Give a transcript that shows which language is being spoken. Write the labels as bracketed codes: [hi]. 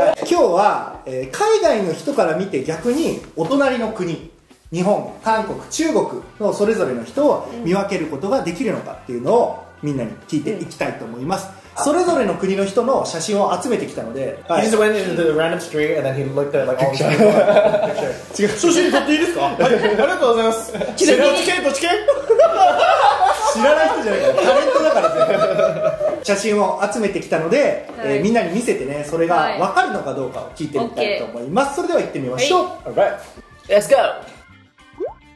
[ja] 今日は、海外の人から見て逆にお隣の国、日本、韓国、中国のそれぞれの人を見分けることができるのかっていうのをみんなに聞いていきたいと思います。それぞれの国の人の写真を集めてきたので、 [en] He just went into the random street and then he looked at like all the people. [ja] 違う、写真撮っていいですか。はい、ありがとうございます。知らない人じゃないから、タレントだから写真を集めてきたので、はい、みんなに見せてね、それが分かるのかどうかを聞いてみたいと思います。それでは行ってみましょう。 [en] Alright, let's go。